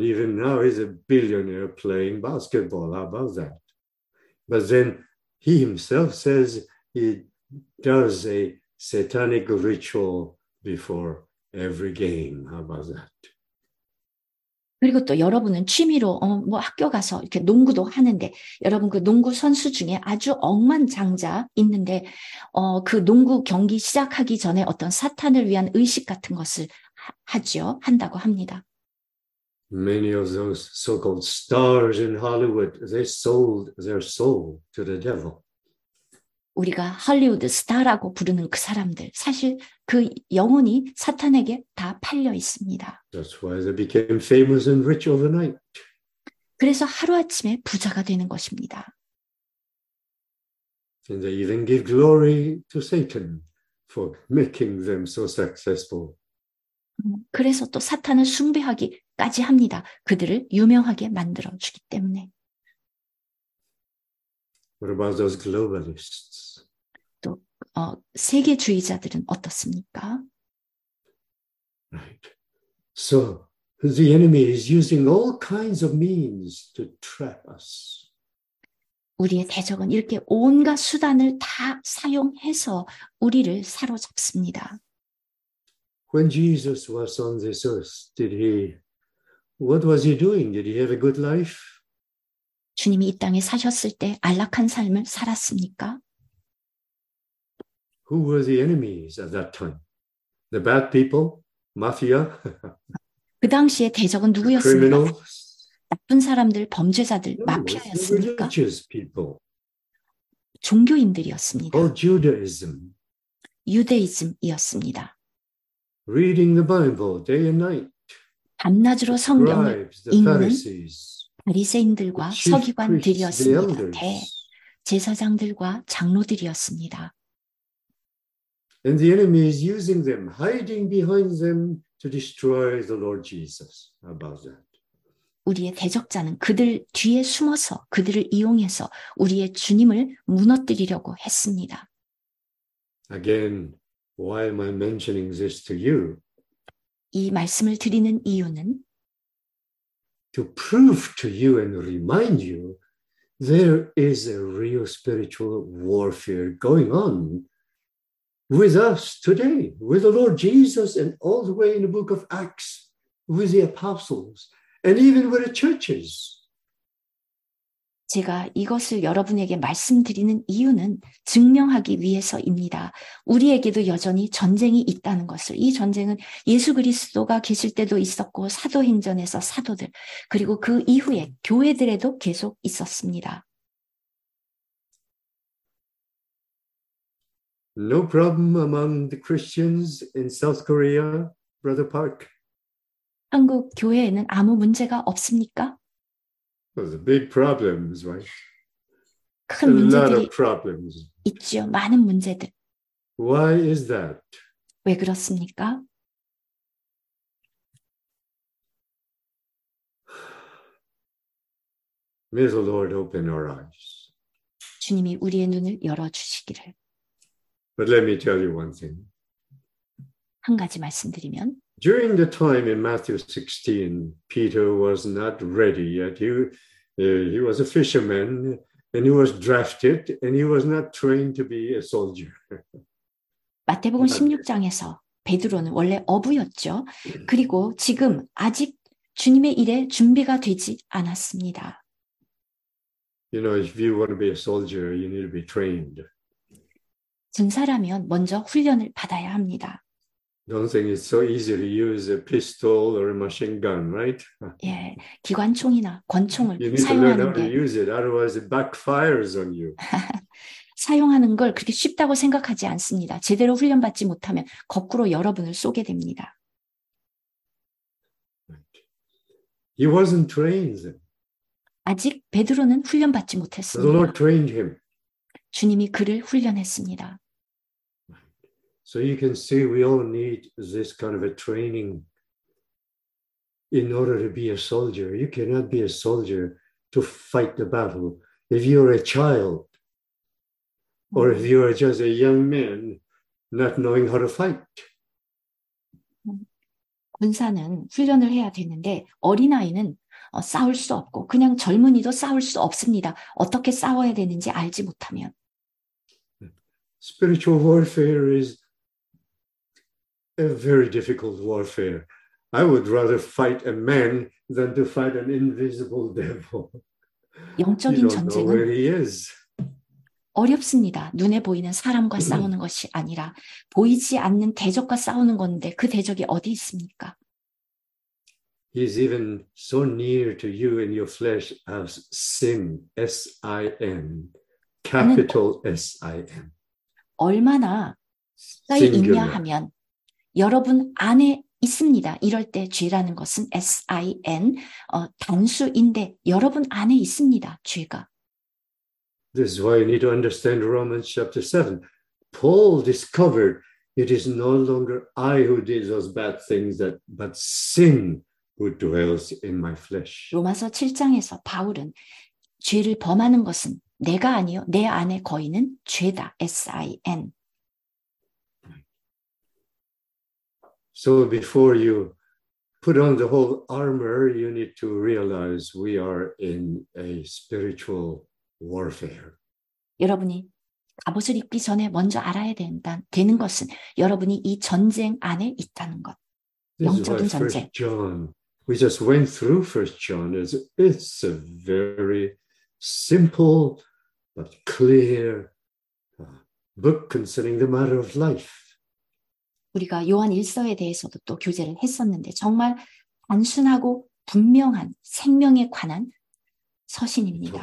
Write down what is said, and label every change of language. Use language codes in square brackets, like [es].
[en] Even now he's a billionaire playing basketball. How about that? But then he himself says he does a satanic ritual before every game. How about that? [ko] 그리고 또 여러분은 취미로 뭐 학교 가서 이렇게 농구도 하는데 여러분 그 농구 선수 중에 아주 억만장자 있는데 그 농구 경기 시작하기 전에 어떤 사탄을 위한 의식 같은 것을 하죠. 한다고 합니다. [en] Many of those so-called stars in Hollywood, they sold their soul to the devil. [ko] 우리가 할리우드 스타라고 부르는 그 사람들 사실 그 영혼이 사탄에게 다 팔려 있습니다. [en] That's why they became famous and rich overnight. [ko] 그래서 하루아침에 부자가 되는 것입니다. [en] And they even give glory to Satan for making them so successful. [ko] 그래서 또 사탄을 숭배하기 까지 합니다. 그들을 유명하게 만들어 주기 때문에. [en] What about those globalists? [ko] 또 세계주의자들은 어떻습니까? [en] Right. So the enemy is using all kinds of means to trap us. [ko] 우리의 대적은 이렇게 온갖 수단을 다 사용해서 우리를 사로잡습니다. [en] When Jesus was on this earth, did he? What was he doing? Did he have a good life? [ko] 주님이 이 땅에 사셨을 때 안락한 삶을 살았습니까? [en] Who were the enemies at that time? The bad people, mafia. [ko] 그 당시에 대적은 누구였습니까? [en] Criminals. [ko] 나쁜 사람들, 범죄자들, 마피아였습니까? [en] Religious people. [ko] 종교인들이었습니다. [en] Or Judaism. [ko] 유대이즘이었습니다. [en] Reading the Bible day and night. [ko] 밤낮으로 성경을 읽는 바리새인들과 서기관들이었습니다. 제사장들과 장로들이었습니다. [en] And the enemy is using them, hiding behind them to destroy the Lord Jesus. About that. [ko] 우리의 대적자는 그들 뒤에 숨어서 그들을 이용해서 우리의 주님을 무너뜨리려고 했습니다. [en] Again, why am I mentioning this to you? [ko] 이 말씀을 드리는 이유는 [en] to prove to you and remind you there is a real spiritual warfare going on with us today, with the Lord Jesus and all the way in the book of Acts, with the apostles. And even with the churches. [ko] 제가 이것을 여러분에게 말씀드리는 이유는 증명하기 위해서입니다. 우리에게도 여전히 전쟁이 있다는 것을. 이 전쟁은 예수 그리스도가 계실 때도 있었고 사도행전에서 사도들 그리고 그 이후에 교회들에도 계속 있었습니다. [en] No problem among the Christians in South Korea, Brother Park. [ko] 한국 교회에는 아무 문제가 없습니까? [en] The big problems, right? [ko] 큰 문제들이 있죠. 많은 문제들. [en] Why is that? [ko] 왜 그렇습니까? [en] May the Lord open our eyes. [ko] 주님이 우리의 눈을 열어 주시기를. [en] But let me tell you one thing. [ko] 한 가지 말씀드리면. [en] During the time in Matthew 16, Peter was not ready yet. He was a fisherman, and he was drafted, and he was not trained to be a soldier. [ko] 마태복음 16장에서 베드로는 원래 어부였죠. 그리고 지금 아직 주님의 일에 준비가 되지 않았습니다. [en] You know, if you want to be a soldier, you need to be trained. [ko] 전사라면 먼저 훈련을 받아야 합니다. [en] Don't think it's so easy to use a pistol or a machine gun, right? [ko] 예, 기관총이나 권총을 사용하는 게. [en] You need to learn how to use it, otherwise it backfires on you. [ko] 사용하는 걸 그렇게 쉽다고 생각하지 않습니다. 제대로 훈련받지 못하면 거꾸로 여러분을 쏘게 됩니다. [en] He wasn't trained. [ko] 아직 베드로는 훈련받지 못했습니다. [en] The Lord trained him. [ko] 주님이 그를 훈련했습니다. [en] So you can see we all need this kind of a training in order to be a soldier. You cannot be a soldier to fight the battle. If you're a child or if you're just a young man not knowing how to fight. [ko] 군사는 훈련을 해야 되는데 어린아이는 싸울 수 없고 그냥 젊은이도 싸울 수 없습니다. 어떻게 싸워야 되는지 알지 못하면. [en] Spiritual warfare is a very difficult warfare. I would rather fight a man than to fight an invisible devil. [ko] 영적인 전쟁은 [en] where he is. [ko] 어렵습니다. 눈에 보이는 사람과 싸우는 것이 아니라 보이지 않는 대적과 싸우는 건데 그 대적이 어디 있습니까? [en] He is even so near to you in your flesh as sin, S-I-N, capital S-I-N. [ko] 얼마나 가까이 있냐 하면 여러분 안에 있습니다. 이럴 때 죄라는 것은 S-I-N 단수인데 여러분 안에 있습니다. 죄가. [en] This is why you need to understand Romans chapter 7. Paul discovered it is no longer I who did those bad things, but sin who dwells in my flesh. [ko] 로마서 7장에서 바울은 죄를 범하는 것은 내가 아니요 내 안에 거인은 죄다. [en] S-I-N. So before you put on the whole armor, you need to realize we are in a spiritual warfare. [ko] 여러분이 갑옷을 입기 전에 먼저 알아야 되는 것은 여러분이 이 전쟁 안에 있다는 것. 영적인 전쟁. [en] First John. We just went through First John. It's a very simple but clear book concerning the matter of life. [ko] 우리가 요한 1서에 대해서도 또 교제를 했었는데 정말 단순하고 분명한 생명에 관한 서신입니다.